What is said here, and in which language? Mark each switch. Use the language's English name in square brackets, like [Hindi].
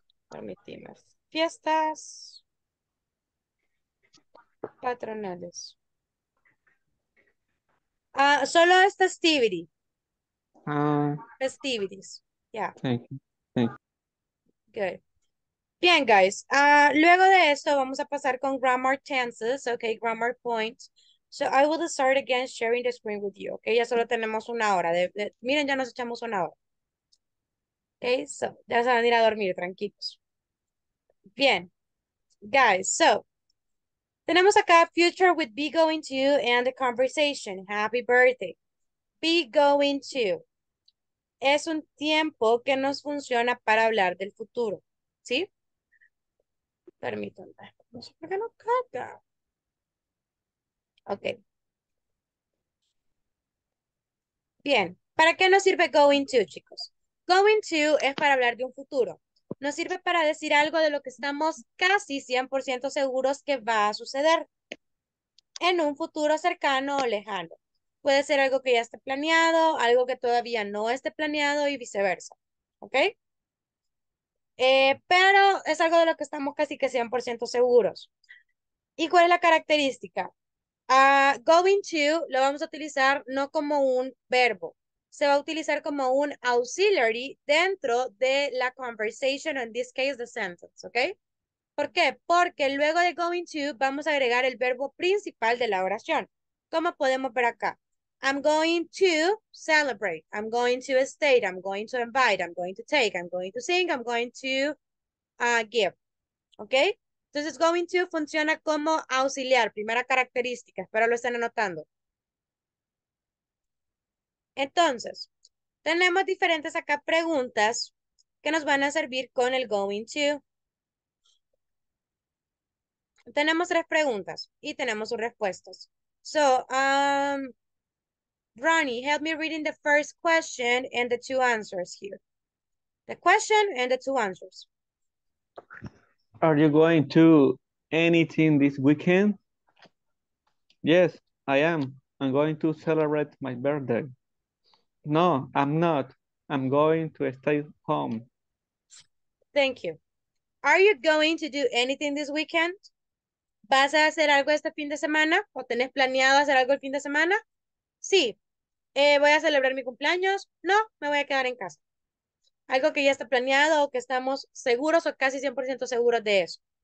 [Spanish] Permitime. Fiestas patronales. Solo es [English] festivity. Festivities. Yeah. Thank you. Good. [Spanish] Bien, [English] guys. [Spanish] Luego de esto, vamos a pasar con grammar tenses. [English] Okay, grammar points. So I will start again sharing the screen with you. [Spanish] Okay, ya solo tenemos una hora. Miren, ya nos echamos una hora. Okay, so ya se van a ir a dormir, tranquilos. Bien. [English] Guys, so [Spanish] tenemos acá [English] future with be going to and the conversation. Happy birthday. Be going to. [Spanish] Es un tiempo que nos funciona para hablar del futuro, ¿sí? Permítanme. No sé por qué no carga. Ok. Bien. ¿Para qué nos sirve going to, chicos? Going to es para hablar de un futuro. Nos sirve para decir algo de lo que estamos casi 100% seguros que va a suceder en un futuro cercano o lejano. Puede ser algo que ya esté planeado, algo que todavía no esté planeado y viceversa, ¿ok? Pero es algo de lo que estamos casi que 100% seguros. ¿Y cuál es la característica? Going to lo vamos a utilizar no como un verbo. Se va a utilizar como un auxiliary dentro de la conversation, [English] in this case, the sentence, [Spanish] ¿ok? ¿Por qué? Porque luego de going to vamos a agregar el verbo principal de la oración. ¿Cómo podemos ver acá? [English] I'm going to celebrate, I'm going to state, I'm going to invite, I'm going to take, I'm going to sing, I'm going to give. [Spanish] ¿Ok? Entonces, going to funciona como auxiliar, primera característica, espero lo estén anotando. Entonces, tenemos diferentes acá preguntas que nos van a servir con el going to. Tenemos tres preguntas y tenemos sus respuestas. [English] So, Ronnie, help me reading the first question and the two answers here. The question and the two answers. Are you going to anything this weekend? Yes, I am. I'm going to celebrate my birthday. No, I'm not. I'm going to stay home. Thank you. Are you going to do anything this weekend? [Spanish] ¿Vas a hacer algo este fin de semana? ¿O tenés planeado hacer algo el fin de semana? Sí. ¿Voy a celebrar mi cumpleaños? No, me voy a quedar en casa. Algo que ya está planeado o que estamos seguros o casi 100% seguros de eso.